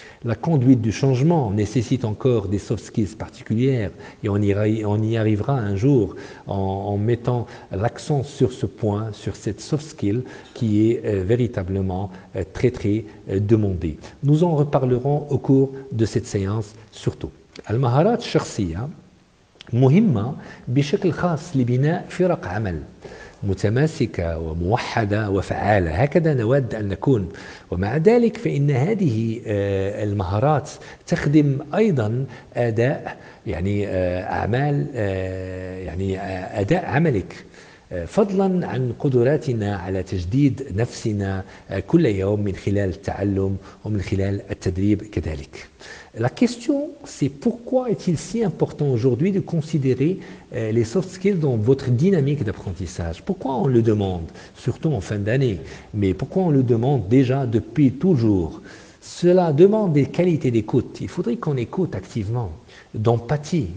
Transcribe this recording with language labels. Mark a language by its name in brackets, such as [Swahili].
[French] La conduite du changement nécessite encore des soft skills particulières et on y arrivera un jour en mettant l'accent sur ce point, sur cette soft skill qui est véritablement très très demandée. Nous en reparlerons au cours de cette séance surtout. [Arabic] المهارات الشخصية مهمة بشكل خاص لبناء فرق عمل متماسكة وموحدة وفعالة، هكذا نود أن نكون. ومع ذلك فإن هذه المهارات تخدم أيضا أداء يعني أعمال يعني أداء عملك. فضلا عن قدراتنا على تجديد نفسنا كل يوم من خلال التعلم ومن خلال التدريب كذلك. [French] La question, c'est pourquoi est-il si important aujourd'hui de considérer les soft skills dans votre dynamique d'apprentissage? Pourquoi on le demande, surtout en fin d'année, mais pourquoi on le demande déjà depuis toujours? Cela demande des qualités d'écoute. Il faudrait qu'on écoute activement, d'empathie.